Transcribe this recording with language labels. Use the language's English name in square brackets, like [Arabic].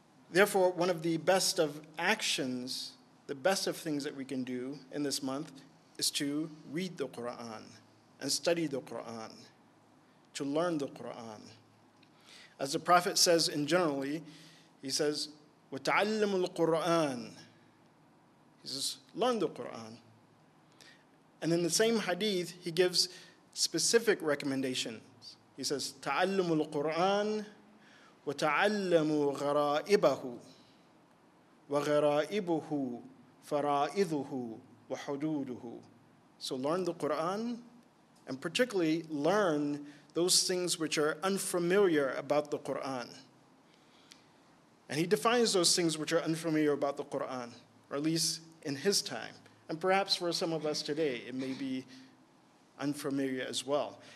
[English] Therefore, one of the best of actions, the best of things that we can do in this month is to read the Qur'an and study the Qur'an, to learn the Qur'an. As the Prophet says in generally, he says, [Arabic] وَتَعَلَّمُ الْقُرْآنِ. [English] He says, learn the Qur'an. And in the same hadith, he gives specific recommendations. [Arabic] He says, تَعَلَّمُ الْقُرْآنِ وَتَعَلَّمُ غَرَائِبَهُ وَغَرَائِبُهُ فَرَائِذُهُ وَحُدُودُهُ. [English] So learn the Qur'an, and particularly learn those things which are unfamiliar about the Qur'an. And he defines those things which are unfamiliar about the Qur'an, or at least in his time. And perhaps for some of us today, it may be unfamiliar as well.